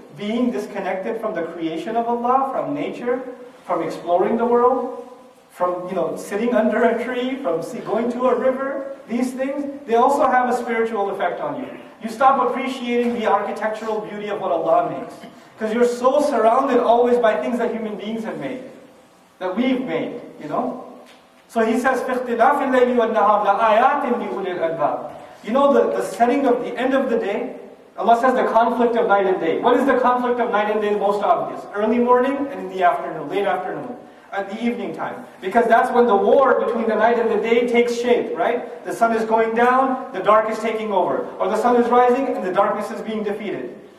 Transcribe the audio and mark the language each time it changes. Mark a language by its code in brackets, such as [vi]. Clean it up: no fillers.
[en] Being disconnected from the creation of Allah, from nature, from exploring the world, from, you know, sitting under a tree, from going to a river, these things, they also have a spiritual effect on you. You stop appreciating the architectural beauty of what Allah makes. Because you're so surrounded always by things that human beings have made, that we've made, you know? So he says, [ar] فَاخْتِلَافِ اللَّيْلِ وَالنَّهَارِ لَآيَاتٍ لِأُولِي الْأَلْبَابِ. [en] You know the setting of the end of the day? Allah says the conflict of night and day. What is the conflict of night and day most obvious? Early morning and in the afternoon, late afternoon, at the evening time. Because that's when the war between the night and the day takes shape, right? The sun is going down, the dark is taking over. Or the sun is rising and the darkness is being defeated.